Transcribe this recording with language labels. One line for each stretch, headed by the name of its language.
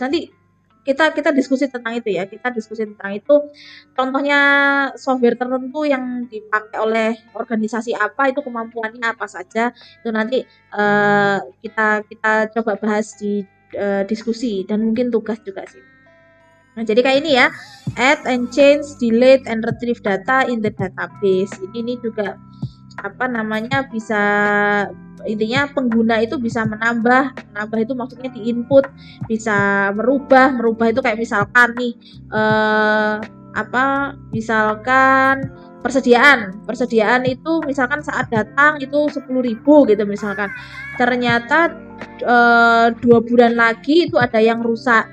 Indonesian: Nanti kita diskusi tentang itu ya. Kita diskusi tentang itu. Contohnya software tertentu yang dipakai oleh organisasi apa, itu kemampuannya apa saja, itu nanti kita coba bahas di diskusi dan mungkin tugas juga sih. Nah, jadi kayak ini ya.
English: Add and change, delete and retrieve data in the database.
Indonesian: Ini juga apa namanya bisa, intinya pengguna itu bisa menambah itu maksudnya di input, bisa merubah itu kayak misalkan nih apa, misalkan persediaan itu misalkan saat datang itu 10.000 gitu misalkan, ternyata 2 bulan lagi itu ada yang rusak.